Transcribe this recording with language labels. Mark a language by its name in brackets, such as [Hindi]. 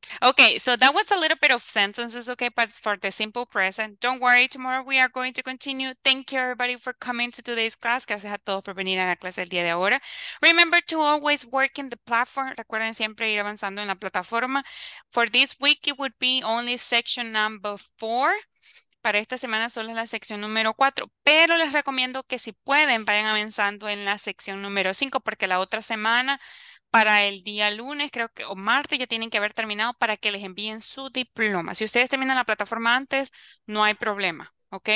[English] Okay, so that was a little bit of sentences, okay, but for the simple present, don't worry, tomorrow we are going to continue. Thank you, everybody, for coming to today's class. [Spanish] Gracias a todos por venir a la clase el día de ahora. [English] Remember to always work in the platform. [Spanish] Recuerden siempre ir avanzando en la plataforma. [English] For this week, it would be only section number 4. [Spanish] Para esta semana solo es la sección número 4, pero les recomiendo que si pueden, vayan avanzando en la sección número 5, porque la otra semana... Para el día lunes, creo que, o martes, ya tienen que haber terminado para que les envíen su diploma. Si ustedes terminan la plataforma antes, no hay problema, ¿ok?